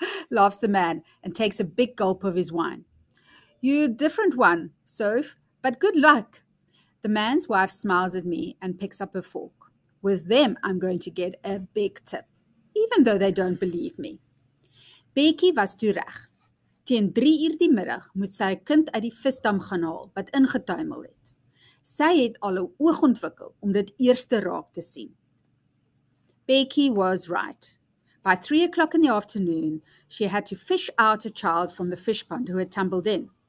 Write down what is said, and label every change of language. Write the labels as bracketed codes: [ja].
[en] Laughs the man and takes a big gulp of his wine. You're a different one, Souf, but good luck. The man's wife smiles at me and picks up a fork. With them, I'm going to get a big tip, even though they don't believe me. [af] Bekie was toe reg. Teen 3:00 die middag moet sy 'n kind uit die visdam gaan haal wat ingetuimel het. Sy het al 'n oog ontwikkel om dit eers te raak te sien. [en] Becky was right. By 3:00 in the afternoon, she had to fish out a child from the fish pond who had tumbled in.